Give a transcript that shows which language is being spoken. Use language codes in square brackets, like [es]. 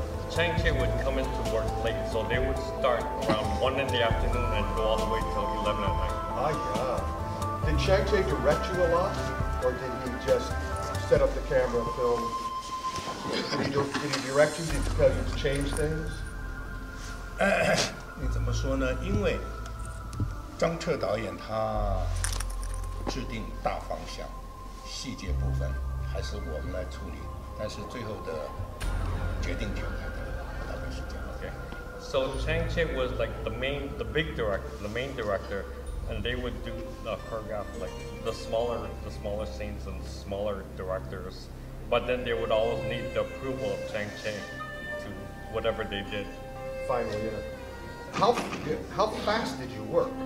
[en] Chang Che would come into work late, so they would start around 1 in the afternoon and go all the way till 11 at night. Did Chang Che direct you a lot? Or did he just set up the camera and film? Did he direct you? Did he tell you to change things? [zh] 你怎么说呢？因为张彻导演他制定大方向，细节部分还是我们来处理。但是最后的决定权，大概是这样。Okay. [en] So Chang Che was like the main director. And they would do the choreograph, like the smaller scenes and smaller directors. But then they would always need the approval of Chang Che to whatever they did. Finally, yeah. How fast did you work?